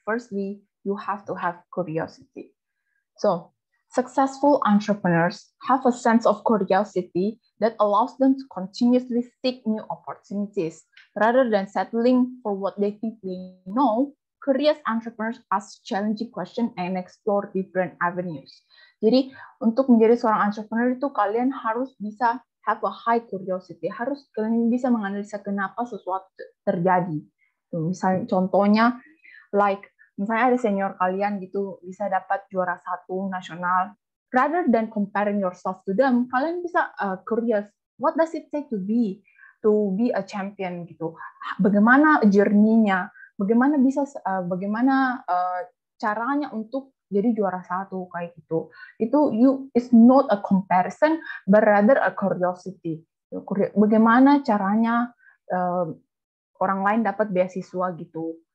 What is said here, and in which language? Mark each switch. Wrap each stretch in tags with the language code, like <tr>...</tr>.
<en>Firstly, you have to have curiosity. So successful entrepreneurs have a sense of curiosity that allows them to continuously seek new opportunities. Rather than settling for what they think they know, curious entrepreneurs ask challenging questions and explore different avenues.</en> <id>Jadi, untuk menjadi seorang entrepreneur itu kalian harus bisa</id> <en>have a high curiosity.</en> <id>Harus kalian bisa menganalisa kenapa sesuatu terjadi. Misalnya, contohnya, like, misalnya ada senior kalian gitu, bisa dapat juara satu nasional.</id> <en>Rather than comparing yourself to them,</en> <id>kalian bisa</id> <en>curious, what does it take to be a champion gitu.</en> <id>Bagaimana journey-nya? Bagaimana caranya untuk jadi juara satu kayak gitu.</id> <en>Itu you is not a comparison but rather a curiosity.</en> <id>Bagaimana caranya orang lain dapat beasiswa gitu.</id>